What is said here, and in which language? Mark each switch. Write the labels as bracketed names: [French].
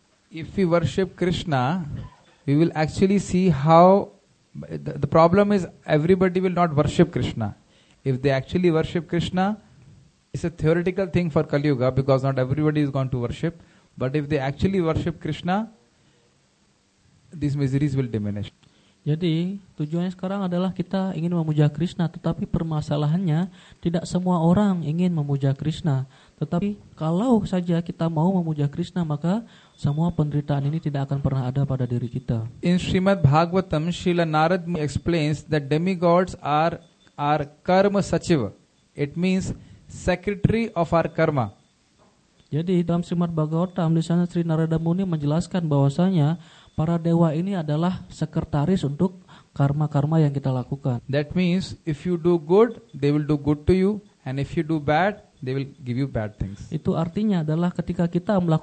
[English] If we worship Krishna, we will actually see how the problem is everybody will not worship Krishna. If they actually worship Krishna, it's a theoretical thing for Kali Yuga because not everybody is going to worship. But if they actually worship Krishna, these miseries will diminish. [Indonesian] Jadi tujuannya sekarang adalah kita ingin memuja Krishna, tetapi permasalahannya tidak semua orang ingin memuja Krishna. Tetapi kalau saja kita mau memuja Krishna, maka Semua penderitaan ini tidak akan pernah ada pada diri kita. [English] In Srimad Bhagavatam, Srila Narad Muni explains that demigods are karma sachiva. It means secretary of our karma. [Indonesian] Jadi dalam Srimad Bhagavatam di sana Sri Narada Muni menjelaskan bahwasanya para dewa ini adalah sekretaris untuk karma-karma yang kita lakukan. [English] That means if you do good, they will do good to you, and if you do bad, they will give you bad things. [Indonesian] Itu artinya adalah ketika kita melakukan